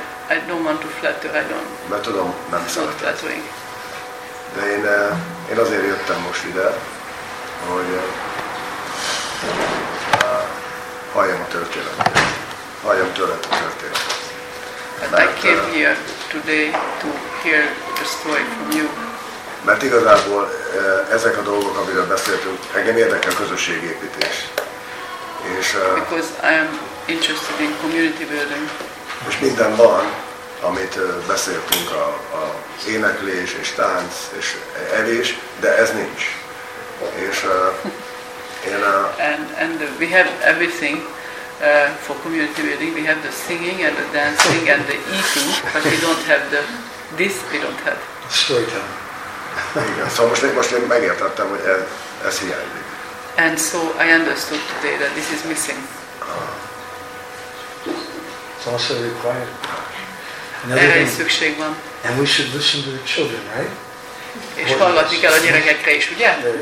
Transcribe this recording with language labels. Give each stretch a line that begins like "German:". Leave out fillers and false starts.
English: I don't want to flatter, I don't.
Hungarian: Mert tudom, nem szeretett. De én azért jöttem most ide, hogy halljam a történetet. Halljam tőled a történetet.
English: I came here today to hear the story from you.
Hungarian: Mert igazából ezek a dolgok, amiről beszéltünk, engem érdekel a közösségépítés. És,
English: because I am interested in community building.
Hungarian: És minden van, amit beszéltünk, a éneklés és tánc és evés, de ez nincs. És én
English: and we have everything for community building. We have the singing and the dancing and the eating, but we don't have the this. We don't have. Storytelling.
Hungarian: Igen, szóval most én megértettem, hogy ez hiányzik.
English: And so I understood today that this is missing. It's also required.
Hungarian: Erre is szükség van.
English: And we should listen to the children, right?
Hungarian: És hallgatni kell a gyerekekre is, ugye?